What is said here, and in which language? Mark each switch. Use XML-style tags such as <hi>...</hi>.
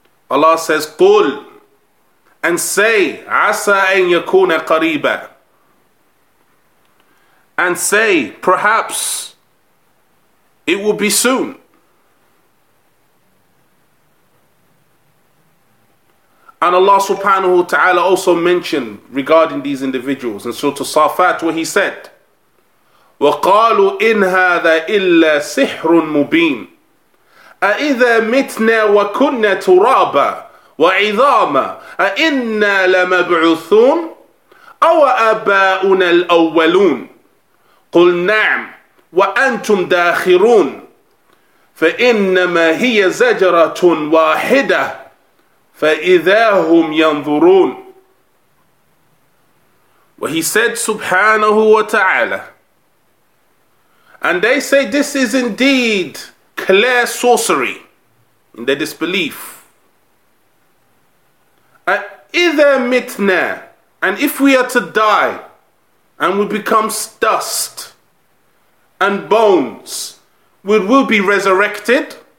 <en>Allah says, قُلْ, and say,</en> <ar>عَسَىٰ أَنْ يَكُونَ قَرِيبًا,</ar> <en>and say, perhaps it will be soon. And Allah subhanahu wa ta'ala also mentioned regarding these individuals in Surah As-Safat where he said,</en> <ar>وَقَالُوا إِنْ هَذَا إِلَّا سِحْرٌ مُبِينٌ أَإِذَا مِتْنَا وَكُنَّا تُرَابًا وَعِظَامًا أَإِنَّا لَمَبْعُثُونَ أَوَأَبَاؤُنَا الْأَوَّلُونَ قُلْ نَعْمْ وَأَنْتُمْ دَاخِرُونَ فَإِنَّمَا هِيَ زَجَرَةٌ وَاحِدَةٌ فَإِذَا هُمْ يَنْظُرُونَ.</ar> <en>What he said subhanahu wa ta'ala. And they say this is indeed clear sorcery in their disbelief.</en> <ar>إِذَا مِتْنَا,</ar> <en>and if we are to die and we become dust and bones, we will be resurrected.</en>